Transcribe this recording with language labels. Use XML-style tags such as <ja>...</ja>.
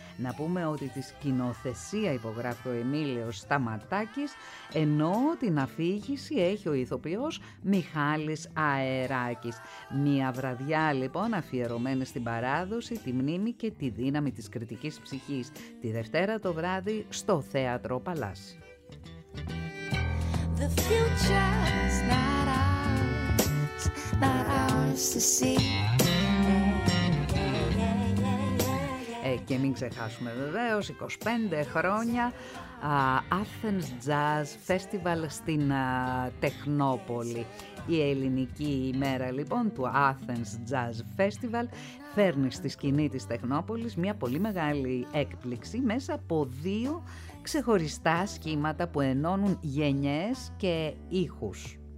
<el>Να πούμε ότι τη σκηνοθεσία υπογράφει ο Εμίλιος Σταματάκης, ενώ την αφήγηση έχει ο ηθοποιός Μιχάλης Αεράκης. Μια βραδιά λοιπόν αφιερωμένη στην παράδοση, τη μνήμη και τη δύναμη της κριτικής ψυχής, τη Δευτέρα το βράδυ στο Θέατρο Παλάς.</el> <en>The future's not ours, not ours to see.</en> <el>Και μην ξεχάσουμε βεβαίως 25 χρόνια Athens Jazz Festival στην Τεχνόπολη. Η ελληνική ημέρα λοιπόν του Athens Jazz Festival φέρνει στη σκηνή της Τεχνόπολης μια πολύ μεγάλη έκπληξη μέσα από δύο ξεχωριστά σχήματα που ενώνουν γενιές και ήχους.</el>